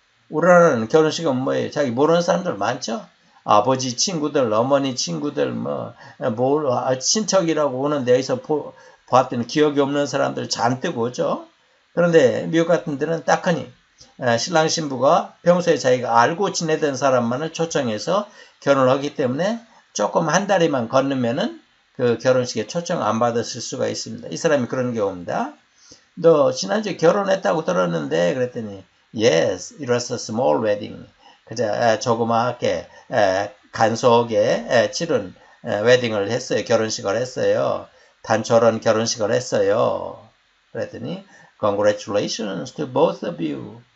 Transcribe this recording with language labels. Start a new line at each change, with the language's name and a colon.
Korean: 우리나라는 결혼식은 뭐예요? 자기 모르는 사람들 많죠? 아버지 친구들, 어머니 친구들, 친척이라고 오는데 여기서 봤더니 기억이 없는 사람들 잔뜩 오죠? 그런데 미국 같은 데는 딱하니, 신랑 신부가 평소에 자기가 알고 지내던 사람만을 초청해서 결혼하기 때문에 조금 한 다리만 건너면은 그 결혼식에 초청 안 받았을 수가 있습니다. 이 사람이 그런 경우입니다. 너 지난주에 결혼했다고 들었는데, 그랬더니,
English: Yes, it was a small wedding.
Korean: 그저 조그맣게 간소하게 치른 웨딩을 했어요. 결혼식을 했어요. 단촐한 결혼식을 했어요. 그랬더니,
English: Congratulations to both of you.